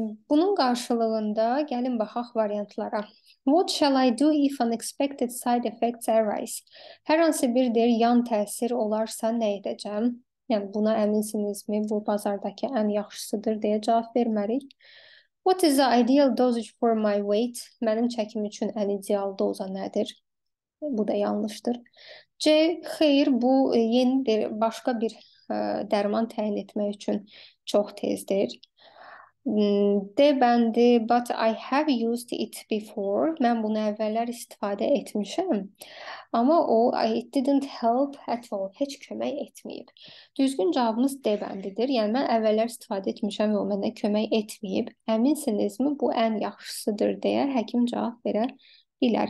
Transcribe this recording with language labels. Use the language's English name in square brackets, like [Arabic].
[Azerbaijani] Bunun qarşılığında gəlin baxaq variantlara. [English] What shall I do if unexpected side effects arise? [Azerbaijani] Hər hansı bir deyir, yan təsir olarsa nə edəcəm? Yəni buna əminsinizmi? Bu bazardakı ən yaxşısıdır deyə cavab vermərik. [English] What is the ideal dosage for my weight? [Azerbaijani] Mənim çəkim üçün ən ideal doza nədir? Bu da yanlışdır. C. Xeyr, bu yenidir, başqa bir dərman təyin etmək üçün çox tezdir. D bəndi, [English] but I have used it before. [Azerbaijani] Mən bunu əvvəllər istifadə etmişəm. Amma o, [English] it didn't help at all. [Azerbaijani] Heç kömək etməyib. Düzgün cavabımız D bəndidir. Yəni, mən əvvəllər istifadə etmişəm və o mənə kömək etməyib. Əminsinizmi? Bu ən yaxşısıdır deyə həkim cavab verə bilər.